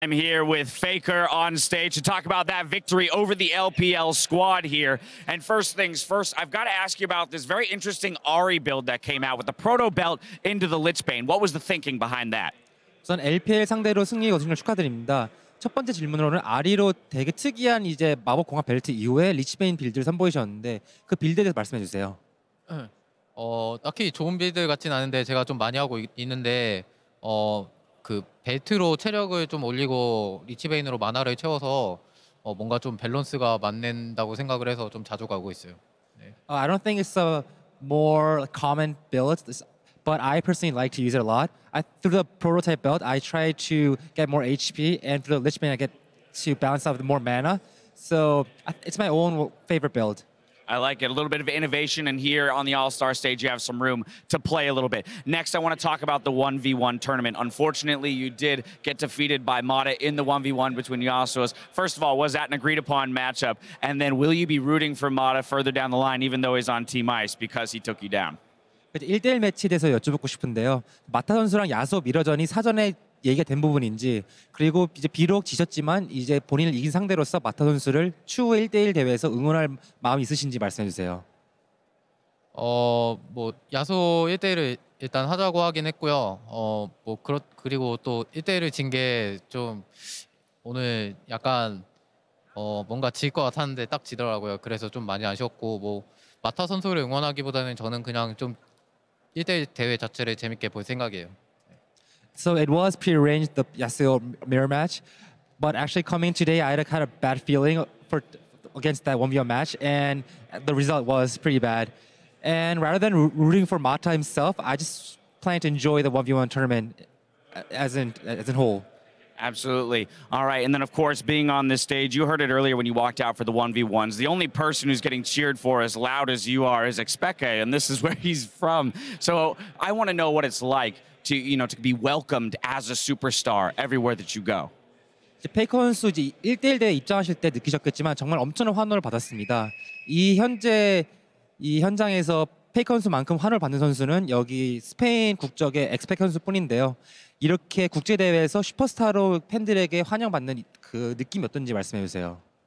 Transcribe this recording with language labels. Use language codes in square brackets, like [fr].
[en] I'm here with Faker on stage to talk about that victory over the LPL squad here. And first things first, I've got to ask you about this very interesting Ahri build that came out with the proto belt into the Lichbane. What was the thinking behind that? [ko] 우선 LPL 상대로 승리 거신 걸 축하드립니다. 첫 번째 질문으로는 아리로 되게 특이한 이제 마법 공화 벨트 이후에 리치베인 빌드를 선보이셨는데 그 빌드에 대해서 말씀해 주세요. 딱히 좋은 빌드 같진 않은데 제가 좀 많이 하고 있는데 그 벨트로 체력을 좀 올리고 리치베인으로 마나를 채워서 뭔가 좀 밸런스가 맞는다고 생각을 해서 좀 자주 가고 있어요. 네. [en] I don't think it's a more common build. But I personally like to use it a lot. Through the prototype build, I try to get more HP, and through the Lich Bane, I get to balance out with more mana. So it's my own favorite build. I like it. A little bit of innovation, and here on the All-Star stage, you have some room to play a little bit. Next, I want to talk about the 1v1 tournament. Unfortunately, you did get defeated by Mata in the 1v1 between Yasuos. First of all, was that an agreed-upon matchup? And then will you be rooting for Mata further down the line, even though he's on Team Ice, because he took you down? [ko] 1대1 매치에 대해서 여쭤보고 싶은데요. 마타 선수랑 야소 미러전이 사전에 얘기가 된 부분인지 그리고 이제 비록 지셨지만 이제 본인을 이긴 상대로서 마타 선수를 추후 1대1 대회에서 응원할 마음 있으신지 말씀해 주세요. 뭐 야소 1대1을 일단 하자고 하긴 했고요. 그리고 또 1대1을 진 게 좀 오늘 약간 뭔가 질 것 같았는데 딱 지더라고요. 그래서 좀 많이 아쉬웠고 뭐 마타 선수를 응원하기보다는 저는 그냥 좀 1대1 대회 자체를 재밌게 볼 생각이에요. [en] So it was prearranged, the Yasuo mirror match. But actually coming today, I had a kind of bad feeling for against that 1v1 match. And the result was pretty bad. And rather than rooting for Mata himself, I just plan to enjoy the 1v1 tournament as in whole. Absolutely. All right. And then, of course, being on this stage, you heard it earlier when you walked out for the 1v1s. The only person who's getting cheered for as loud as you are is Xpeke, and this is where he's from. So I want to know what it's like to, you know, to be welcomed as a superstar everywhere that you go. [ko] 페이커 선수 이제 1대1 대회 입장하실 때 느끼셨겠지만 정말 엄청난 환호를 받았습니다. 이 현장에서 페이커 선수만큼 환호를 받는 선수는 여기 스페인 국적의 Xpeke 선수뿐인데요. 이렇게 국제 대회에서 슈퍼스타로 팬들에게 환영받는 그 느낌이 어떤지 말씀해 주세요.